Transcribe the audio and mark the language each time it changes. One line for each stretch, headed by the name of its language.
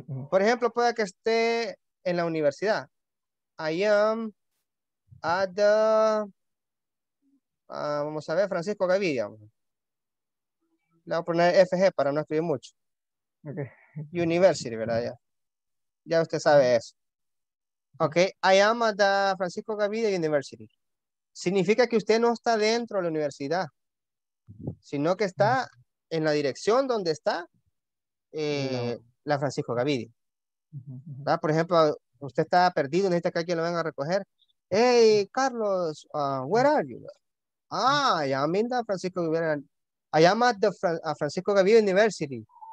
Spanish: Por ejemplo, puede que esté en la universidad.
English: I am at the...
Spanish: vamos a ver, Francisco Gavidia. Le voy a poner FG para no escribir mucho. Okay. University, ¿verdad? Ya usted sabe eso.
English: Ok, I am at the Francisco Gavidia University.
Spanish: Significa que usted no está dentro de la universidad, sino que está en la dirección donde está la Francisco Gavidia. ¿Verdad? Por ejemplo, usted está perdido, necesita que alguien lo venga a recoger.
English: Hey, Carlos, where are you? Ah, I am in the Francisco Gavidia. I am at the Francisco Gavidia University.